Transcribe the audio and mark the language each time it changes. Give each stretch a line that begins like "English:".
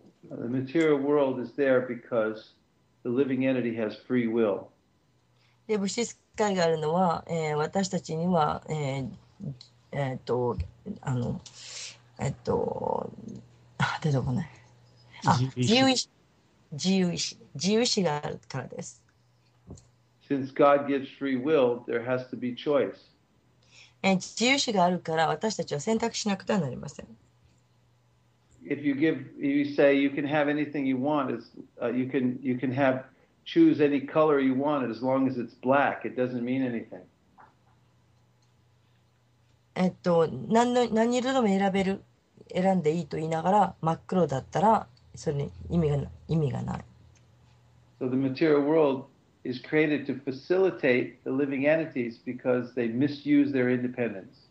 English: The material world is there because the living entity has free will.
Japanese: で、物質界があるのは、私たちには、自由意志があるからです。
English: Since God gives free will, there has to be choice.
Japanese: 自由意志があるから私たちは選択しなくてはなりません。
English: If you give, you say you can have anything you want, you can have choose any color you want as long as it's black, it doesn't mean anything.
Japanese: 何色でも選んでいいと言いながら真っ黒だったらそれに意味がない。
English: So the material world is created to facilitate the living entities because they misuse their independence.